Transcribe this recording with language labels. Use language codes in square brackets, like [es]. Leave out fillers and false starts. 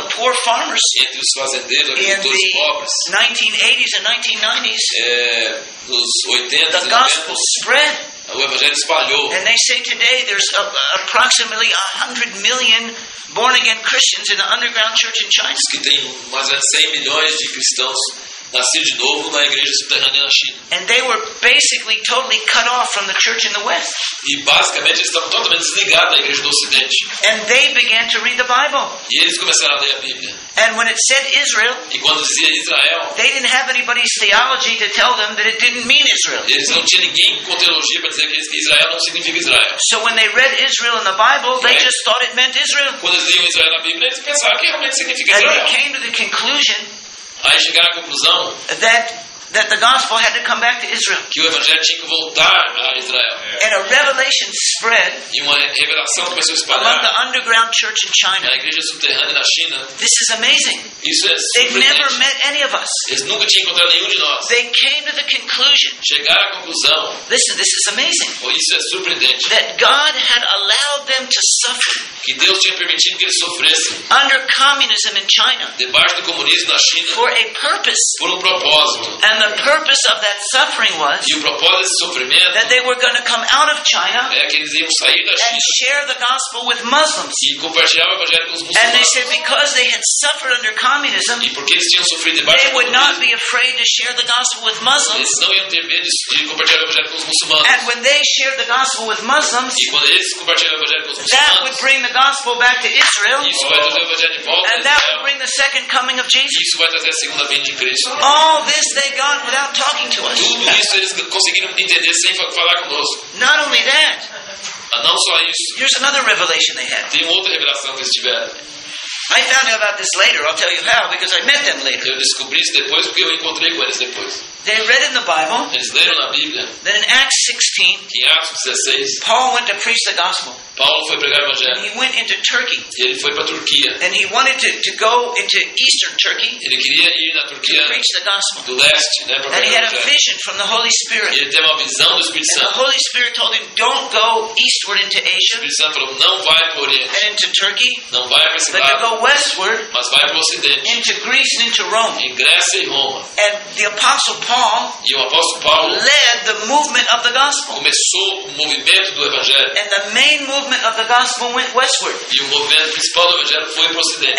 [en] the poor farmers, [pt] entre os fazendeiros, agricultores pobres, [en] 1980s and 1990s, [pt] nos 80s [en] the gospel [pt] e 90s, [en] spread. [pt] O evangelho espalhou. [en] And they say today there's approximately 100 million born again Christians in the underground church in China. [pt] Diz que tem mais de 100 milhões de cristãos nascido de novo na igreja subterrânea na China. [en] And they were basically totally cut off from the church in the West. [pt] E basicamente eles estavam totalmente desligados da igreja do Ocidente. [en] And they began to read the Bible. [pt] E eles começaram a ler a Bíblia. [en] And when it said Israel, [pt] e quando dizia Israel, [en] they didn't have anybody's theology to tell them that it didn't mean Israel. [pt] Eles não tinham ninguém com teologia para dizer que Israel não significa Israel. [en] So when they read Israel in the Bible, they just thought it meant Israel. [pt] Quando eles liam Israel na Bíblia, eles pensavam que realmente significa Israel. [en] And they came to the conclusion. [pt] Aí chegaram à conclusão [en] that the gospel had to come back to Israel. [pt] Que o evangelho tinha que voltar a Israel. [en] And a revelation spread. [pt] E uma revelação começou a espalhar. [en] Among the underground church in China. [pt] Na igreja subterrânea na China. [en] This is amazing. [pt] Isso é surpreendente. [en] They've never met any of us. [pt] Eles nunca tinham encontrado nenhum de nós. [en] They came to the conclusion. [pt] Chegaram à conclusão. [en] This is amazing. [pt] Oh, isso é surpreendente. [en] That God had allowed them to suffer. [pt] Que Deus tinha permitido que eles sofressem. [en] Under communism in China. [pt] Debaixo do comunismo na China. [en] For a purpose. [pt] Por um propósito. [en] And the purpose of that suffering was that they were going to come out of China and share the gospel with Muslims. And they said because they had suffered under communism, they would not be afraid to share the gospel with Muslims. And when they shared the gospel with Muslims, that would bring the gospel back to Israel, and that would bring the second coming of Jesus. All this they got without talking to us. [pt] Tudo isso eles conseguiram entender sem falar conosco. [en] Not only that. [pt] Não só isso. [en] Here's another revelation they had. [pt] Tem outra revelação que eles tiveram. [en] I found out about this later. I'll tell you how because I met them later. [pt] Eu descobri isso depois porque eu encontrei com eles depois. [en] They read in the Bible. [pt] Eles leram na Bíblia. [en] That in Acts 16. [pt] Em Atos 16. [en] Paul went to preach the gospel. [pt] Paulo foi pregar o evangelho. [en] And he went into Turkey. [pt] E ele foi para Turquia. [en] And he wanted to go into Eastern Turkey. [pt] Ele queria ir na Turquia. [en] To preach the gospel. [pt] Do leste, né, [en] and he had a vision from the Holy Spirit. [pt] E ele teve uma visão do Espírito Santo. [en] And the Holy Spirit told him, don't go eastward into Asia. [pt] O Espírito Santo falou, não vai para o Oriente. [en] And into Turkey. [pt] Não vai para esse [en] but [pt] lado. [en] To go westward. [pt] Mas vai para o Ocidente. [en] Into Greece and into Rome. [pt] Em Grécia e Roma. [en] And the Apostle Paul. [pt] E o Apóstolo Paulo. [en] Led the movement of the gospel. [pt] Começou o movimento do evangelho. [en] And the main movement of the gospel went westward. [pt] E o movimento principal do evangelho foi pro ocidente.